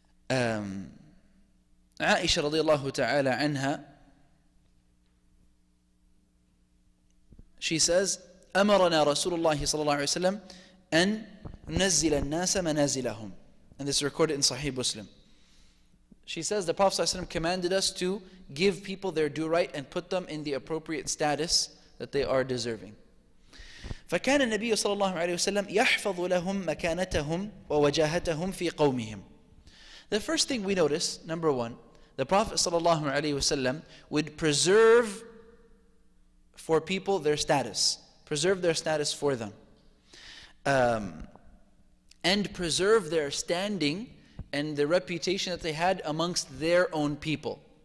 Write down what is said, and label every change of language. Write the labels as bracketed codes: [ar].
[ar] عائشة رضي الله تعالى عنها, [en] she says, [ar] أَمَرَنَا رَسُولُ اللَّهِ صَلَى اللَّهِ عَلَيْهِ وَسَلَمْ أَنْ نَزِّلَ النَّاسَ مَنَازِلَهُمْ. [en] And this is recorded in Sahih Muslim. She says, the Prophet ﷺ commanded us to give people their due right and put them in the appropriate status that they are deserving. [ar] فكان النبي صلى الله عليه وسلم يحفظ لهم مكانتهم ووجاهتهم في قومهم. [en] The first thing we notice, number one, The Prophet sallallahu alaihi wasallam would preserve for people their status, preserve their status for them, and preserve their standing and the reputation that they had amongst their own people.